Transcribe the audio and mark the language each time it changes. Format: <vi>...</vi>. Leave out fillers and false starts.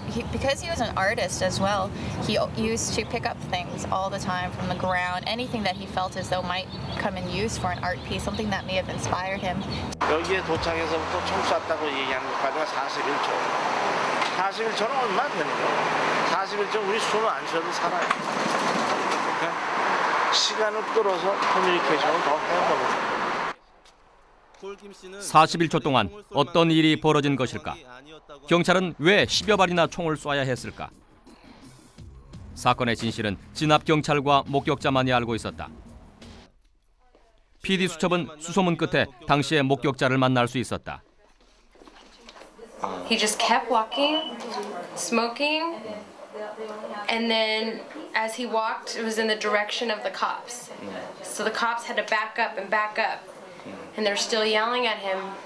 <en>Because he was an artist as well, he used to pick up things all the time from the ground. Anything that he felt as though might come in use for an art piece, something that may have inspired him.</en> <ko>여기에 도착해서부터 총 쐈다고 얘기하는 것까지가 41초. 41초는 얼마 안 되는 거예요. 41초 우리 숨을 안 쉬어도 살아요. 시간을 끌어서 커뮤니케이션을 더 해보는 거예요. 41초 동안 어떤 일이 벌어진 것일까? 경찰은 왜 10여 발이나 총을 쏴야 했을까? 사건의 진실은 진압 경찰과 목격자만이 알고 있었다. PD 수첩은 수소문 끝에 당시의 목격자를 만날 수 있었다.</ko> <en>He just kept walking, smoking, and then as he walked, it was in the direction of the cops. So the cops had to back up and back up, and they're still yelling at him.</en>